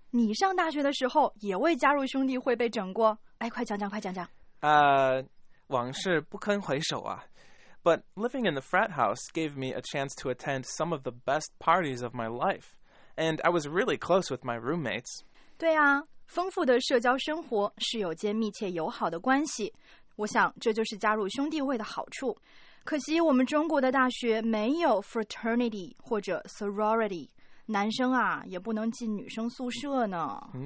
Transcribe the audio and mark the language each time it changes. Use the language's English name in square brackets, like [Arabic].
[Chinese] 你上大学的时候也为加入兄弟会被整过？哎，快讲讲，快讲讲。往事不堪回首啊。 [English] But living in the frat house gave me a chance to attend some of the best parties of my life. And I was really close with my roommates. [Chinese] 对啊，丰富的社交生活，室友间密切友好的关系。我想这就是加入兄弟会的好处。可惜我们中国的大学没有 fraternity 或者 sorority。男生啊，也不能进女生宿舍呢。